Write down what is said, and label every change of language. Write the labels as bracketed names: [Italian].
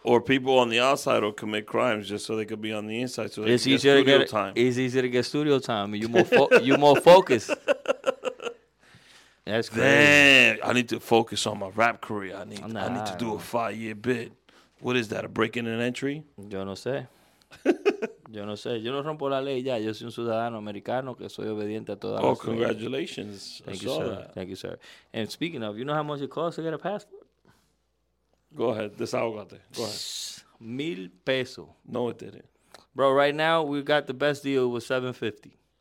[English] Or people on the outside will commit crimes just so they could be on the inside. So it's easier to get studio time. It's easier to get studio time. You more focused. That's crazy. Damn, I need to focus on my rap career. I need to do a 5-year bid. What is that, a break in an entry? [Spanish] Yo no sé. Yo no sé. Yo no rompo la ley ya. Yo soy un ciudadano americano que soy obediente a todas las leyes. [English] Oh, congratulations. Thank you, sir. And speaking of, you know how much it costs to get a passport? Go ahead. [Spanish] Desahogate. [English] Go ahead. $1,000. No, it didn't. Bro, right now, we got the best deal with $750.